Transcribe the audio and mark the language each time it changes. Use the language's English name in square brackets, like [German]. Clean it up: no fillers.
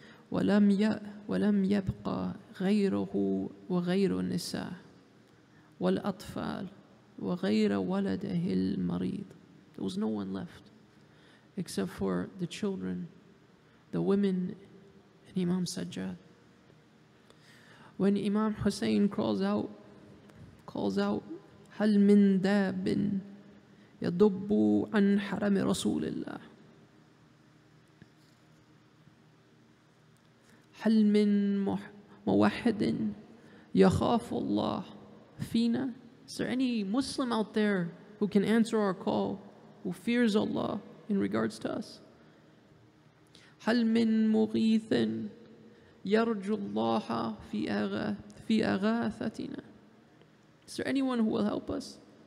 [Arabic] وَلَمْ يَبْقَ غَيْرُهُ وَغَيْرُ النِّسَاءِ وَالْأَطْفَالِ وَغَيْرَ وَلَدِهِ الْمَرِيضِ. [English] There was no one left except for the children, the women, and Imam Sajjad. When Imam Hussein calls out, [Arabic] هَلْ مِنْ دَابٍ يَدُبُّ عَنْ حَرَمِ رَسُولِ اللَّهِ هَلْ مِنْ مُوَحِّدٍ يَخَافُ اللَّهِ فِينَا. [English] Is there any Muslim out there who can answer our call, who fears Allah in regards to us? [Arabic] هَلْ مِنْ مُغِيثٍ يَرْجُ اللَّهَ فِي أَغَاثَتِنَا. [English] Is there anyone who will help us?